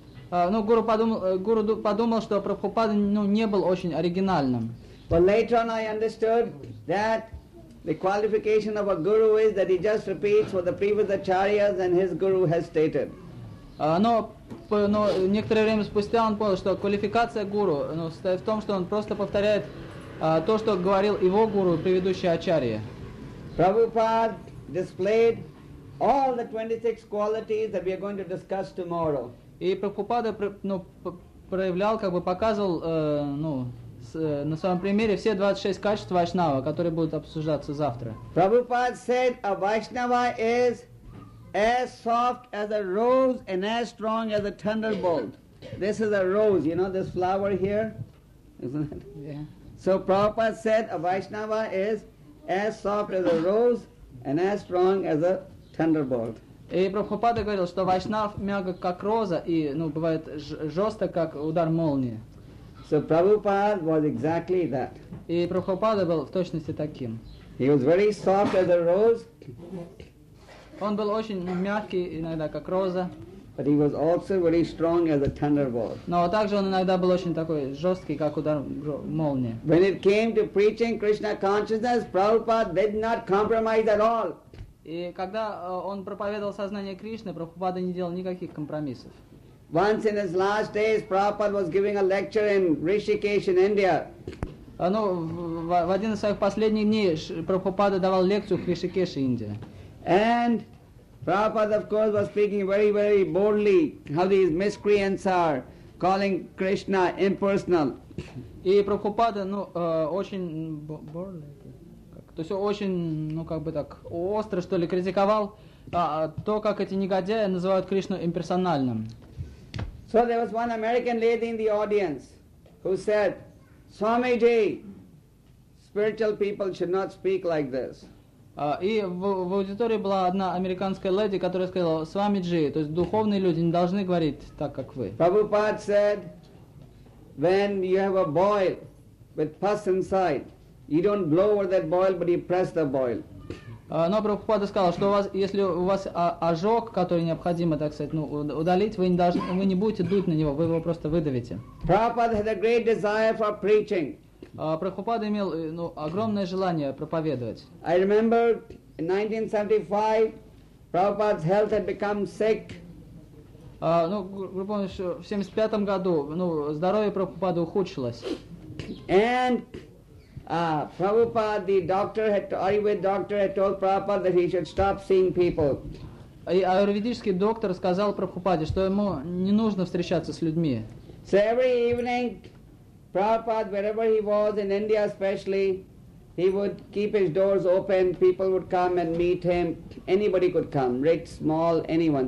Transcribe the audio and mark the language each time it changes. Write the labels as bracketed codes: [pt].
[ru] ну, гуру подумал, что Прабхупада, ну, не был очень оригинальным. [en] But later on I understood that the qualification of a guru is that he just repeats what the previous acharyas and his guru has stated. [ru] Но некоторое время спустя он понял, что квалификация гуру, ну, в том, что он просто повторяет то, что говорил его гуру, предыдущий ачарья. [en] Prabhupada displayed all the 26 qualities that we are going to discuss tomorrow. [ru] И Прабхупада, ну, проявлял, как бы показывал, ну, на своем примере все 26 качеств вайшнава, которые будут обсуждаться завтра. [en] Prabhupada said a vaishnava is as soft as a rose and as strong as a thunderbolt. This is a rose, you know, this flower here, isn't it? Yeah. So Prabhupada said a vaishnava is as soft as a rose and as strong as a thunderbolt. [ru] И Прабхупада говорил, что вайшнав мягок как роза и, ну, бывает жесток как удар молнии. [en] So Prabhupada was exactly that. [ru] И Прабхупада был в точности таким. [en] He was very soft as a rose. [ru] Он был очень мягкий иногда как роза. [en] But he was also very strong as a thunderbolt. [ru] Но также он иногда был очень такой жесткий как удар молнии. [en] When it came to preaching Krishna consciousness, Prabhupada did not compromise at all. [ru] И когда он проповедовал сознание Кришны, Прабхупада не делал никаких компромиссов. [en] Once in his last days, Prabhupada was giving a lecture in Rishikesh, in India. [ru] Ну, в один из своих последних дней Прабхупада давал лекцию в Ришикеше, Индия. [en] And Prabhupada, of course, was speaking very, very boldly how these miscreants are calling Krishna impersonal. [ru] И Прабхупада, ну, очень boldly. То есть очень, ну, как бы так, остро, что ли, критиковал то, как эти негодяи называют Кришну имперсональным. [en] So there was one American lady in the audience who said, Swamiji, spiritual people should not speak like this. [ru] И в аудитории была одна американская леди, которая сказала, Swamiji, то есть духовные люди не должны говорить так, как вы. [en] Prabhupada said, when you have a boil with pus inside, you don't blow over that boil, but you press the boil. [ru] Но Прабхупада сказал, что у вас, если у вас ожог, который необходимо, так сказать, ну, удалить, вы не будете дуть на него, вы его просто выдавите. [en] Prabhupada had a great desire for preaching. [ru] Прабхупада имел, ну, огромное желание проповедовать. [en] I remember in 1975 Prabhupada's health had become sick. [ru] Ну, вы помните, что в 75 году, ну, здоровье Прабхупады ухудшилось. [en] And Prabhupada, the doctor, had Ayurveda doctor had told Prabhupada that he should stop seeing people. [ru] И аюрведический доктор сказал Прабхупаде, что ему не нужно встречаться с людьми. [en] So every evening, Prabhupada, wherever he was in India especially, he would keep his doors open. People would come and meet him. Anybody could come, rich, small, anyone.